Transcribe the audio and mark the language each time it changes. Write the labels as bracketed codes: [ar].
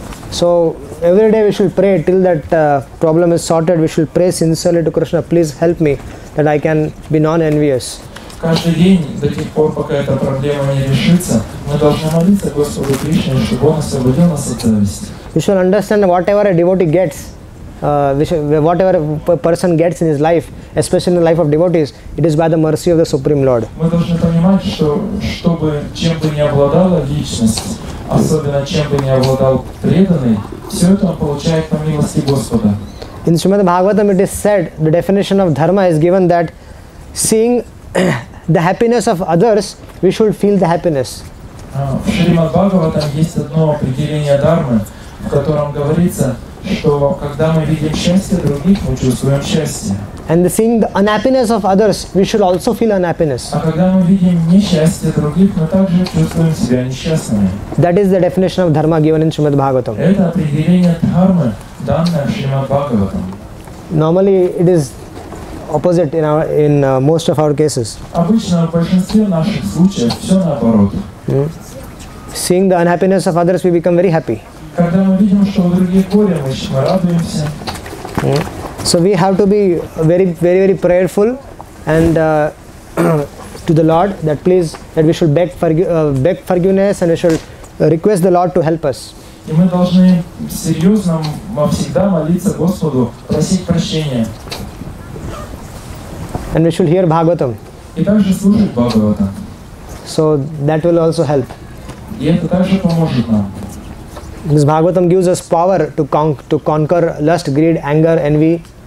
[en] So every day we should pray till that problem is sorted. We should pray sincerely to Krishna, please help me, that I can be non-envious. [ru] Каждый день, до тех пор, пока эта проблема не решится, мы должны молиться Господу Кришне, чтобы Он освободил нас от зависти. [en] You should understand whatever a devotee gets, whatever a person gets in his life, especially in the life of devotees, it is by the mercy of the Supreme Lord. [ru] Мы должны понимать, что чтобы чем бы ни обладала личность, особенно чем бы ни обладал преданный, все это он получает по милости Господа. [en] In Srimad Bhagavatam it is said, the definition of dharma is given that seeing the happiness of others, we should feel the happiness. [ru] В Шримад Бхагаватам есть одно определение дхармы, в котором говорится, что когда мы видим счастье других, мы чувствуем счастье. [en] And seeing the unhappiness of others, we should also feel unhappiness. [ru] А когда мы видим несчастье других, мы также чувствуем себя несчастными. [en] That is the definition of dharma given in Srimad Bhagavatam. [ru] Это определение дхармы, данное в Шримад Бхагаватам. [en] Normally it is opposite in our most of our cases. [ru] Обычно в большинстве наших случаев все наоборот. [en] Seeing the unhappiness of others, we become very happy. [ru] Когда мы видим, что у других горе, мы радуемся. [en] So we have to be very, very, very prayerful and to the Lord that please, that we should beg for beg forgiveness and we should request the Lord to help us. [ru] И мы должны серьезно всегда молиться Господу, просить прощения. [en] And we should hear Bhagavatam. [ru] И также слушать Бхагаватам. [en] So that will also help. [ru] И это также поможет нам. [en] This Bhagavatam gives us power to conquer lust, greed, anger, envy.